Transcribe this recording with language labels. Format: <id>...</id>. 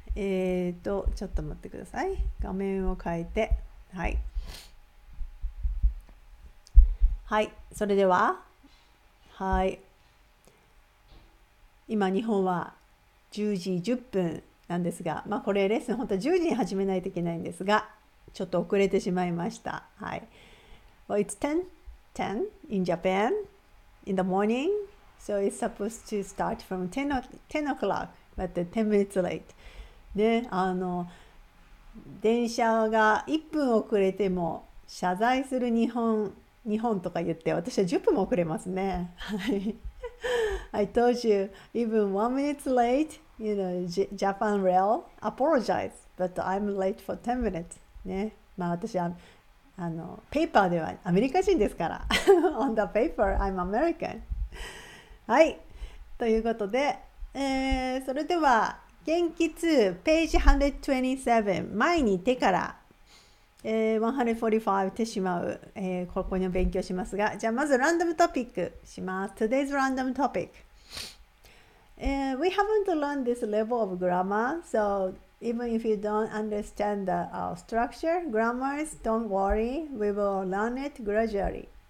<ja>ちょっと待ってください。画面を変えて、はいはい、それでは、はい、今日本は10時10分なんですが、まあこれレッスン本当は10時に始めないといけないんですが、ちょっと遅れてしまいました。</ja> <en>はい、 Well, it's 10 in Japan in the morning, so it's supposed to start from 10 o'clock, but 10 minutes late ね。</en> <ja>あの電車が1分遅れても謝罪する日本とか言って、私は10分も遅れますね。</ja> <en>I told you, even 1 minute late, you know, Japan Rail apologize, but I'm late for 10 minutes.</en> <ja>ね、まあ私はあのペーパーではアメリカ人ですから。</ja> <en>On the paper, I'm American.</en> <ja>はい、ということで、それでは元気2、ページ127、前に手から145手しまう、ここに勉強しますが、じゃあまずランダムトピックします。</ja> <en>Today's random topic、We haven't learned this level of grammar, so even if you don't understand the structure, grammars, don't worry, we will learn it gradually.</en>